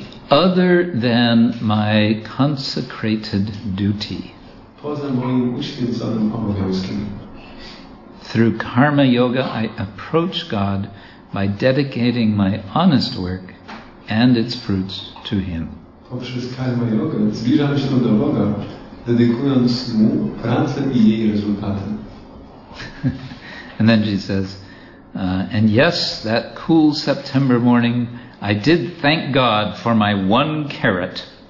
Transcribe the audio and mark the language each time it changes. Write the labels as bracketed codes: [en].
[en] Other than my consecrated duty. [pl] Poza moim uświęconym obowiązkiem. [en] Through karma yoga, I approach God by dedicating my honest work and its fruits to Him. [pl] Poprzez karma yoga zbliżamy się do Boga, dedykując Mu pracę i jej rezultaty. [en] And then she says, and yes, that cool September morning, I did thank God for my one carrot.